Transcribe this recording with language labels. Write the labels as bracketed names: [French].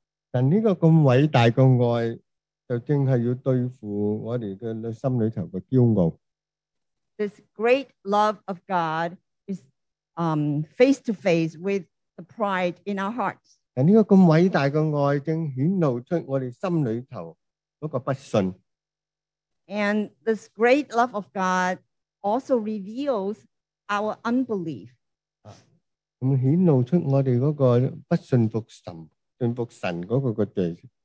[Chinese] 但这个这么伟大的爱, 就正是要对付我们的心里头的骄傲。 [English] This great love of God is face to face with the pride in our hearts. [Chinese] 但这个这么伟大的爱正显露出我们心里头的不信。 [English] And this great love of God also reveals our unbelief. [Chinese] 显露出我们那个不信服神的罪。